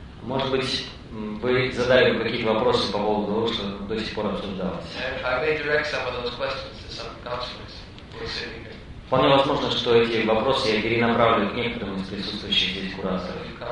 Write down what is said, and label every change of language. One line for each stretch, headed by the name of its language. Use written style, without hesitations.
Russian: Может быть, вы задали бы какие-то вопросы по поводу того, что до сих пор обсуждалось.
English: And I may direct some of those questions to some counselors who are sitting here.
Russian: Вполне возможно, что эти вопросы я перенаправлю к некоторым из присутствующих здесь кураторов.